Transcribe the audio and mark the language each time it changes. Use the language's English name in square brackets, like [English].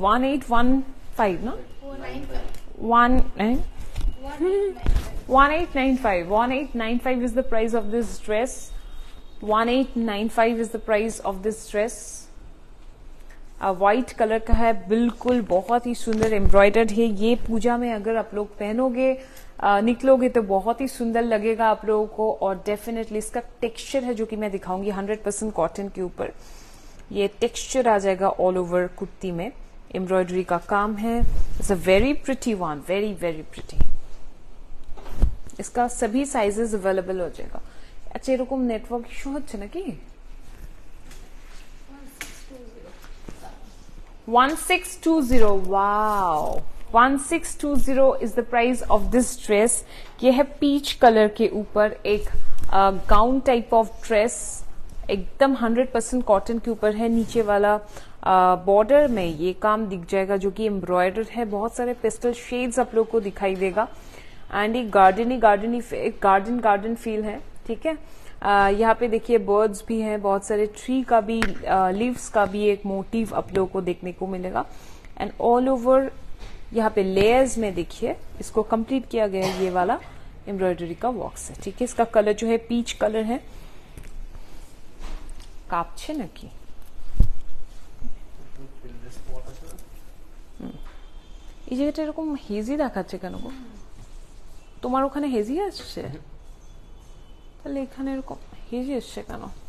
[English] 1815 ना, 1895, 1895 is the price of this dress. 1895 is the price of this dress. [Hindi] A white color का है, बिल्कुल बहुत ही सुंदर embroidered है. ये पूजा में अगर आप लोग पहनोगे निकलोगे तो बहुत ही सुंदर लगेगा आप लोगों को, और definitely इसका texture है जो कि मैं दिखाऊंगी. 100% cotton के ऊपर ये texture आ जाएगा all over कुर्ती में, embroidery का काम है. [English] It's a very pretty one, very very pretty. [Hindi] इसका सभी साइजेस अवेलेबल हो जाएगा. अच्छा, एरकम नेटवर्क इश्यू हो ना कि 1620. [English] Wow, 1620 is the price of this dress. [Hindi] ये है पीच कलर के ऊपर एक गाउन टाइप ऑफ ड्रेस, एकदम 100% कॉटन के ऊपर है. नीचे वाला बॉर्डर में ये काम दिख जाएगा जो कि एम्ब्रॉयडर है. बहुत सारे पेस्टल शेड्स आप लोगों को दिखाई देगा. एंड ये गार्डनी गार्डनी गार्डन गार्डन फील है. ठीक है, यहाँ पे देखिए बर्ड्स भी हैं, बहुत सारे ट्री का भी, लीव्स का भी एक मोटिव आप लोगों को देखने को मिलेगा. एंड ऑल ओवर यहाँ पे लेयर्स में देखिए इसको कंप्लीट किया गया है, ये वाला एम्ब्रॉयडरी का बॉक्स है. ठीक है, इसका कलर जो है पीच कलर है. [Bangla] कापछे न की এই জায়গাটা এরকম হেজি দেখাচ্ছে কেন গো? তোমার ওখানে হেজি আসছে? তাহলে এখানে এরকম হেজি আসছে কেন?